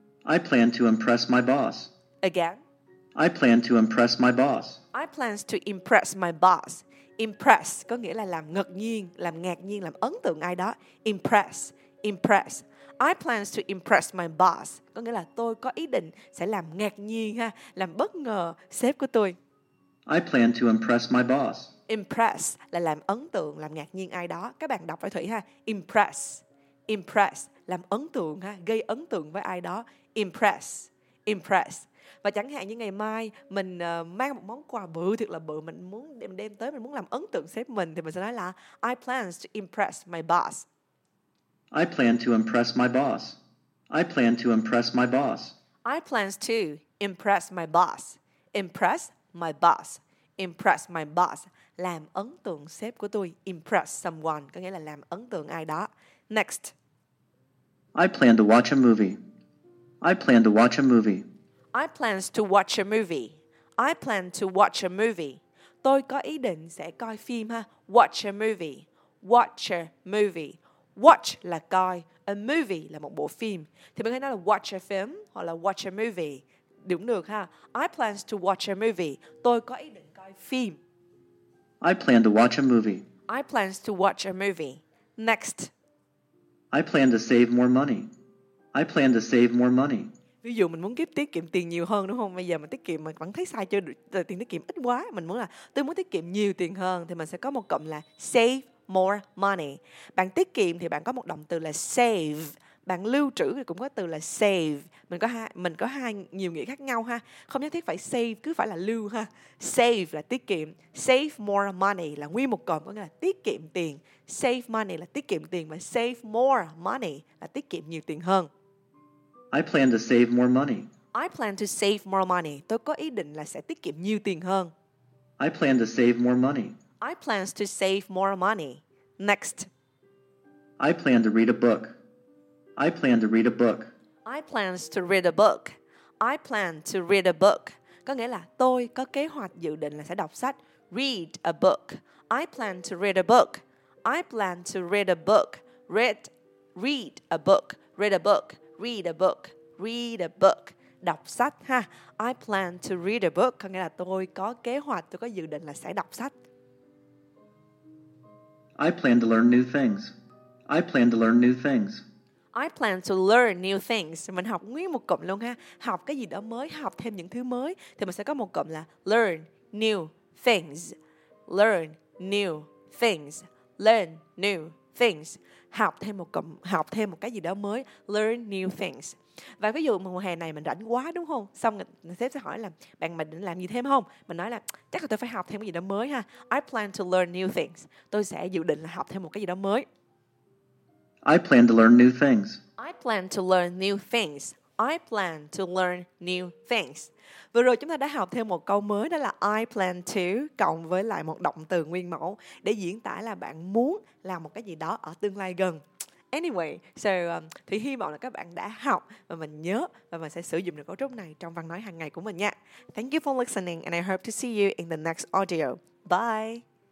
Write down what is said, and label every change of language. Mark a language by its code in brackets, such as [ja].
[en] I plan to impress my boss. Again. I plan to impress my boss. I plans to impress my boss. [vi] Impress có nghĩa là làm ngạc nhiên, làm ngạc nhiên, làm ấn tượng ai đó. [en] Impress. Impress. I plans to impress my boss. [vi] Có nghĩa là tôi có ý định sẽ làm ngạc nhiên ha, làm bất ngờ sếp của tôi. [en] I plan to impress my boss. [vi] Impress là làm ấn tượng, làm ngạc nhiên ai đó. Các bạn đọc với Thủy ha. Impress. Impress. Làm ấn tượng ha. Gây ấn tượng với ai đó. Impress. Impress. Và chẳng hạn như ngày mai mình mang một món quà bự, thiệt là bự, mình muốn đem tới, mình muốn làm ấn tượng sếp mình, thì mình sẽ nói là [en] I plan to impress my boss. I plan to impress my boss. I plan to impress my boss. I plan to impress my boss. Impress my boss. Impress my boss. [vi] Làm ấn tượng sếp của tôi. Impress someone có nghĩa là làm ấn tượng ai đó. [en] Next. I plan to watch a movie. I plan to watch a movie. I plan to watch a movie. I plan to watch a movie. [vi] Tôi có ý định sẽ coi phim ha. [en] Watch a movie. Watch a movie. [vi] Watch là coi. [en] A movie [vi] là một bộ phim. Thì mình hay nói là [en] watch a film [vi] hoặc là [en] watch a movie. [vi] Đúng được ha. [en] I plan to watch a movie. [vi] Tôi có ý định coi phim. [en] I plan to watch a movie. I plan to watch a movie. Next. I plan to save more money. I plan to save more money. [vi] Ví dụ mình muốn kiếm tiết kiệm tiền nhiều hơn đúng không? Bây giờ mình tiết kiệm mà vẫn thấy sai chưa được. Tiền tiết kiệm ít quá. Mình muốn là tôi muốn tiết kiệm nhiều tiền hơn. Thì mình sẽ có một cụm là [en] save more money. [vi] Bạn tiết kiệm thì bạn có một động từ là save. Bạn lưu trữ thì cũng có từ là save. Mình có hai nhiều nghĩa khác nhau ha. Không nhất thiết phải save, cứ phải là lưu ha. Save là tiết kiệm. [en] Save more money [vi] là nguyên một cụm, có nghĩa là tiết kiệm tiền. [en] Save money [vi] là tiết kiệm tiền. Và [en] save more money [vi] là tiết kiệm nhiều tiền hơn. [en] I plan to save more money. I plan to save more money. [vi] Tôi có ý định là sẽ tiết kiệm nhiều tiền hơn. [en] I plan to save more money. I plan to save more money. Next. I plan to read a book. I plan to read a book. I plan to read a book. I plan to read a book. [vi] Có nghĩa là tôi có kế hoạch dự định là sẽ đọc sách. [en] Read a book. I plan to read a book. I plan to read a book. Read a book. Read a book. Read a book. Read a book. [vi] Đọc sách ha. [en] I plan to read a book. [vi] Có nghĩa là tôi có kế hoạch, tôi có dự định là sẽ đọc sách. [en] I plan to learn new things. I plan to learn new things. I plan to learn new things. [vi] Mình học nguyên một cụm luôn ha. Học cái gì đó mới, học thêm những thứ mới. Thì mình sẽ có một cụm là [en] learn new things. Learn new things. Learn new things. [vi] Học thêm một cái gì đó mới. [en] Learn new things. [vi] Và ví dụ mùa hè này mình rảnh quá đúng không? Xong sếp sẽ hỏi là bạn mình định làm gì thêm không? Mình nói là chắc là tôi phải học thêm cái gì đó mới ha. [en] I plan to learn new things. [vi] Tôi sẽ dự định là học thêm một cái gì đó mới. [en] I plan to learn new things. I plan to learn new things. I plan to learn new things. [vi] Vừa rồi chúng ta đã học thêm một câu mới, đó là [en] I plan to [vi] cộng với lại một động từ nguyên mẫu để diễn tả là bạn muốn làm một cái gì đó ở tương lai gần. [en] Anyway, so [vi] thì hy vọng là các bạn đã học và mình nhớ và mình sẽ sử dụng được cấu trúc này trong văn nói hàng ngày của mình nha. [en] Thank you for listening and I hope to see you in the next audio. Bye.